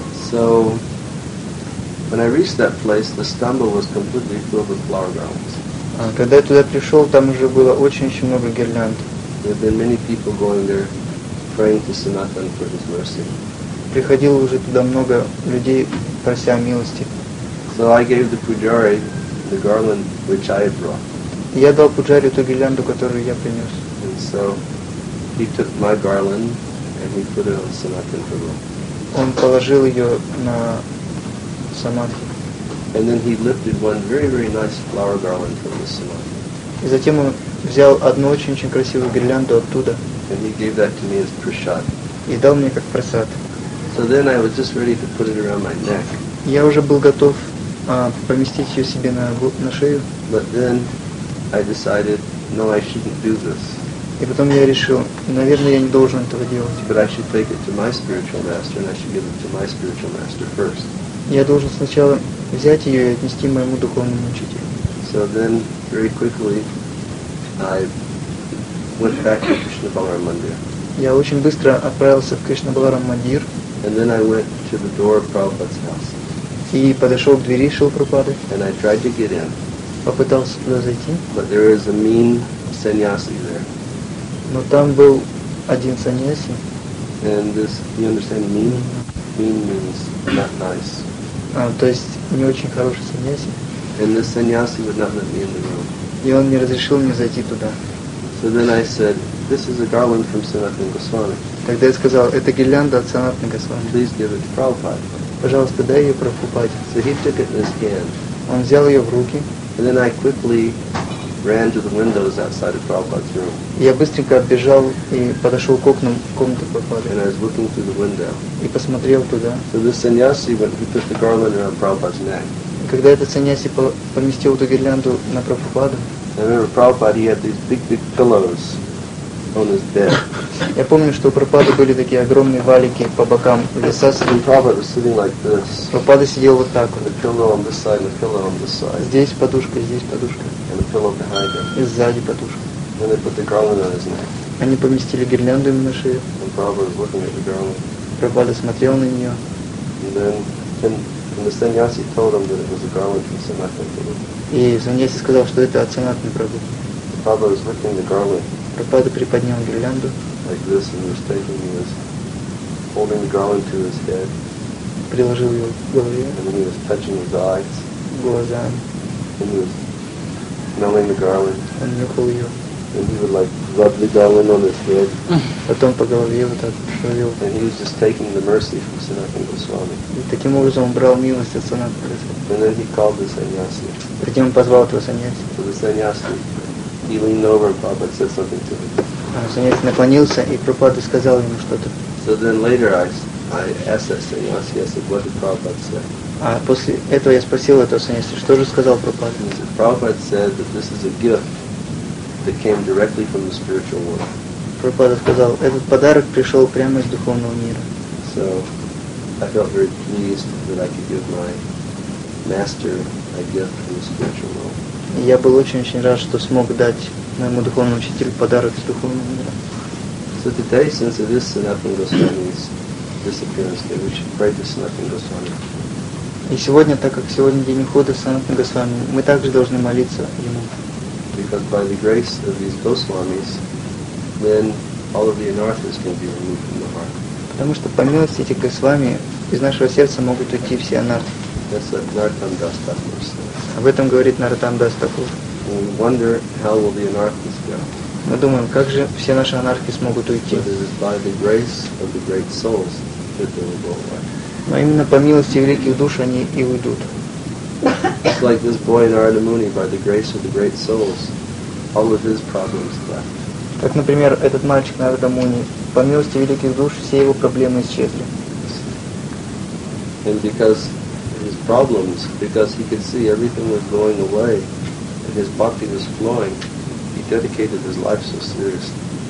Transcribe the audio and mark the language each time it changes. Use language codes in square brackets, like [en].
[en] So when I reached that place, the stamba was completely filled with flower garlands. [ru] Когда я туда пришел, там уже было очень-очень много гирлянд. [en] There were many people going there, praying to Sanatana for his mercy. [ru] Приходило уже туда много людей, прося о милости. [en] So I gave the pujari the garland which I had brought. [ru] Я дал пуджари ту гирлянду, которую я принес. [en] And so he took my garland and he put it on Sanatana Prabhu. [ru] Он положил ее на самадхи. [en] And then he lifted one very, very nice flower garland from the samadhi. [ru] И затем он взял одну очень-очень красивую гирлянду оттуда. [en] And he gave that to me as prasad. [ru] И дал мне как прасад. [en] So then I was just ready to put it around my neck. [ru] Я уже был готов поместить ее себе на шею. [en] But then I decided, no, I shouldn't do this. [ru] И потом я решил, наверное, я не должен этого делать. [en] But I should take it to my spiritual master, and I should give it to my spiritual master first. [ru] Я должен сначала взять ее и отнести моему духовному учителю. [en] So then, very quickly, I went back to Krishna Balaram Mandir. [ru] Я очень быстро отправился в Кришна Баларам Мандир. [en] And then I went to the door of Prabhupada's house. [ru] И подошел к двери Шрилы Прабхупады. [en] And I tried to get in. [ru] Попытался туда зайти. [en] But there is a mean sannyasi there. [ru] Но там был один саньяси. [en] And this, you understand, mean? Mean means not nice. [ru] То есть не очень хороший саньяси. [en] And this sannyasi would not let me in the room. [ru] И он не разрешил мне зайти туда. [en] So then I said, this is a garland from Sanatana Goswami. [ru] Тогда я сказал, это гирлянда от Санатана Госвами. [en] Please give it to Prabhupada. [ru] Пожалуйста, дай ее Прабхупаде. [en] So he took it in his hand. [ru] Он взял ее в руки. [en] And then I quickly ran to the windows outside of Prabhupada's room. [ru] Я быстренько отбежал и подошел к окнам комнаты Прабхупады. [en] And I was looking through the window. [ru] И посмотрел туда. [en] So this sannyasi went, he put the garland around Prabhupada's neck. [ru] И когда этот саньяси поместил эту гирлянду на Прабхупаду. [en] I remember Prabhupada, he had these big pillows on his bed. [ru] Я помню, что у Прабхупады были такие огромные валики по бокам леса. [en] Prabhupada was sitting like this. [ru] Прабхупада сидел вот так вот. [en] The pillow on this side, the pillow on this side. [ru] Здесь подушка, здесь подушка. [en] And the pillow behind him. [ru] И сзади подушка. [en] And they put the garland on his neck. [ru] Они поместили гирлянду ему на шею. [en] And Prabhupada was looking at the garland. [ru] Прабхупада смотрел на нее. [en] And then and the sannyasi told him that it was a garland from Sanatana Prabhu. [ru] И саньяси сказал, что это от Санатаны Прабху. [en] Prabhupada was looking at the garland. [ru] Прабхупада приподнял гирлянду. [en] Like this, and he was taking his holding the garland to his head. [ru] Приложил его к голове. [en] And then he was touching his eyes. [ru] Глаза. [en] And he was smelling the garland. [ru] Он нюхал ее. [en] And he would like rub the garland on his head. [ru] Потом по голове вот так шевелил. [en] And he was just taking the mercy from Sanatana Goswami. [ru] И таким образом он брал милость от Санатаны Госвами. [en] And then he called the sannyasi. [ru] Затем он позвал этого саньяси. [en] So the sannyasi, he leaned over and Prabhupada said something to him. [ru] Саньяси наклонился, и Прабхупада сказал ему что-то. [en] So then later I asked that sannyasi, I said, what did Prabhupada say? [ru] А после этого я спросил этого саньяси, что же сказал Прабхупада? [en] He said, Prabhupada said that this is a gift that came directly from the spiritual world. [ru] Прабхупада сказал, этот подарок пришел прямо из духовного мира. [en] So I felt very pleased that I could give my master a gift from the spiritual world. [ru] Я был очень-очень рад, что смог дать моему духовному учителю подарок из духовного мира. [en] with the day since it is Sanatan Goswami's disappearance day, we should pray to Sanatan Goswami. [ru] И сегодня, так как сегодня день ухода Санатана Госвами, мы также должны молиться ему. [en] Because by the grace of these Goswamis, then all of the anarthas can be removed from the heart. [ru] Потому что по милости этих Госвами из нашего сердца могут уйти все анарты. [en] That's what Nartam Das Thakur says. [ru] Об этом говорит Нартам Дас Такур. [en] We wonder how will the anarthas go. [ru] Мы думаем, как же все наши анархи смогут уйти. [en] But it is by the grace of the great souls that they will go away. [ru] Но именно по милости великих душ они и уйдут. [en] It's like this boy Narada Muni, by the grace of the great souls, all of his problems left. [ru] Как, например, этот мальчик Нарада Муни, по милости великих душ все его проблемы исчезли. [en] And because his problems, because he could see everything was going away, and his bhakti was flowing, he dedicated his life so seriously.